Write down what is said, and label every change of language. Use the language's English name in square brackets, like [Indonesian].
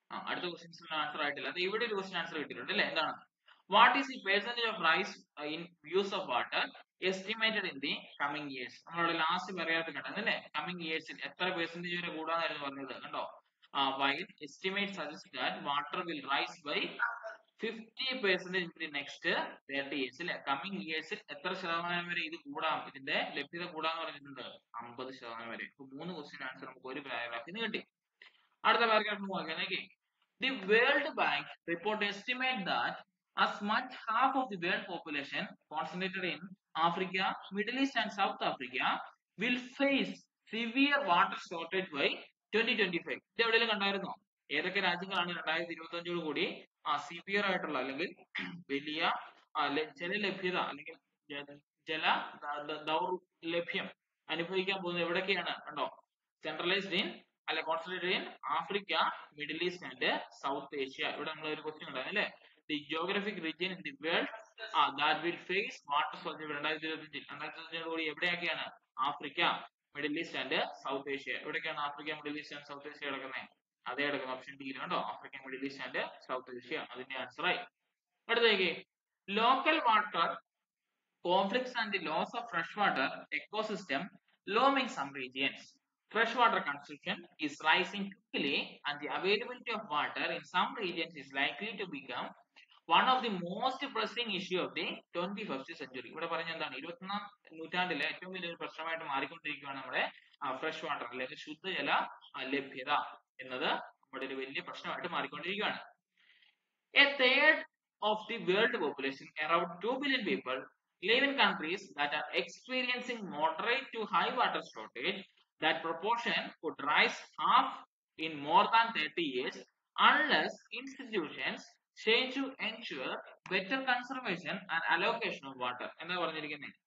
[Malayalam] അടുത്ത ക്വസ്റ്റ്യൻസിന് ആൻസർ ആയിട്ടില്ല, അത് ഇവിടെ ഒരു ക്വസ്റ്റ്യൻ ആൻസർ കിട്ടിയിട്ടുണ്ട് അല്ലെ. എന്താണ്, [English] what is the percentage of rise in use of water estimated in the coming years, [Malayalam] നമ്മളുടെ ലാസ്റ്റ് പറയാത്ത കണ്ടല്ലേ, കമ്മിങ് ഇയേഴ്സിൽ എത്ര പെർസെന്റേജ് വരെ കൂടാന്നായിരുന്നു പറഞ്ഞത് കണ്ടോ. [English] while estimate suggest that water will rise by 50% in the next 30 years, [Malayalam] അല്ലെ, കമ്മിങ് ഇയേഴ്സിൽ എത്ര ശതമാനം വരെ ഇത് കൂടാം, ഇതിന്റെ ലഭ്യത കൂടാന്ന് പറഞ്ഞിട്ടുണ്ട്, 50% വരെ. ഇപ്പൊ 3 ക്വസ്റ്റ്യൻ ആൻസർ നമുക്ക് ഒരു പാരഗ്രാഫിൽ നിന്ന് കിട്ടി. അടുത്ത പാരഗ്രാഫ് നോക്കി, [English] The world bank report estimate that as much half of the world population concentrated in Africa, Middle East and South Africa will face severe water shortage by 2025. [Malayalam] ഇത് എവിടെയെങ്കിലും കണ്ടായിരുന്നോ, ഏതൊക്കെ രാജ്യങ്ങളാണ് 2025 കൂടി സിവിയർ ആയിട്ടുള്ള അല്ലെങ്കിൽ വലിയ ജല ലഭ്യത അല്ലെങ്കിൽ ജല ദൗർലഭ്യം അനുഭവിക്കാൻ പോകുന്നത് എവിടെയൊക്കെയാണ് കണ്ടോ, [English] Centralised in അല്ല concentrated in Africa, middle east and south Asia. [Malayalam] ഇവിടെ നമ്മൾ ഒരു ക്വസ്റ്റ്യൻ ഉണ്ടായിരുന്നല്ലേ, [English] the geographic region in the world that will face water shortage 2025, [Malayalam] 2025 കൂടി എവിടെയൊക്കെയാണ്, Africa, middle east and south Asia. എവിടെയൊക്കെയാണ് Africa, middle east and south Asia കിടക്കുന്നത്, അതേ കിടക്കുന്ന ഓപ്ഷൻ ഡി കണ്ടോ, Africa, middle east and south Asia, അതിന്റെ answer ആയി. [English] അടുത്തേക്ക്, local water conflicts and the loss of fresh water ecosystem looming some regions. Fresh water consumption is rising quickly and the availability of water in some regions is likely to become one of the most pressing issue of the 21st century. [Malayalam] ഇവിടെ പറഞ്ഞത് എന്താണ്, 21st നൂറ്റാണ്ടിലെ ഏറ്റവും വലിയൊരു പ്രശ്നമായിട്ട് മാറിക്കൊണ്ടിരിക്കുകയാണ് നമ്മുടെ fresh water അല്ലെങ്കിൽ ശുദ്ധജല ലഭ്യത എന്നത് നമ്മുടെ ഒരു വലിയ പ്രശ്നമായിട്ട് മാറിക്കൊണ്ടിരിക്കുകയാണ്. [English] A third of the world population, around 2 billion people, live in countries that are experiencing moderate to high water shortage. That proportion could rise half in more than 30 years unless institutions change to ensure better conservation and allocation of water [Malayalam] എന്നാ പറഞ്ഞിരിക്കുന്നത്.